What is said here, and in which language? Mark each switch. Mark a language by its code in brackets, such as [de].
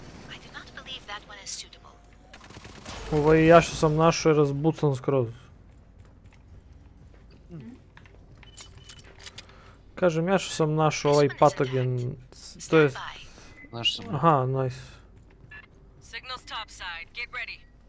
[en] I do not believe that one is suitable. [hr] Ovo i ja što sam našao je razbucan skroz. Kažem, ja što sam našao ovaj patogen to je... Znaš što sam... [en] Aha, nice. Signal's topside, get ready.